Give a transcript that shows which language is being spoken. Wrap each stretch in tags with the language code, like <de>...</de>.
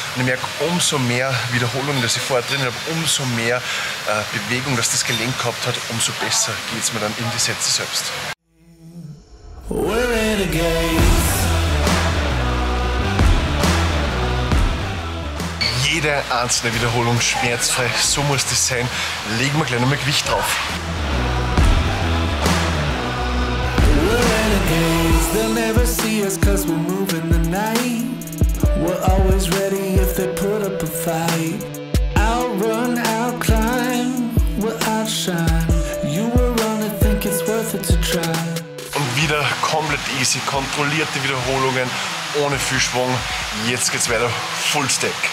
<de>Und ich merke, umso mehr Wiederholungen, dass ich vorher drin habe, umso mehr Bewegung, dass das Gelenk gehabt hat, umso besser geht es mir dann in die Sätze selbst. Jede einzelne Wiederholung schmerzfrei, so muss das sein. Legen wir gleich nochmal Gewicht drauf.</de> <en>They'll never see us cause we're moving the night. We're always ready if they put up a fight. I'll run, I'll climb, we'll outshine. You were wrong, I think it's worth it to try.</en> <de>Und wieder komplett easy, kontrollierte Wiederholungen, ohne viel Schwung. Jetzt geht's weiter, full stack.</de>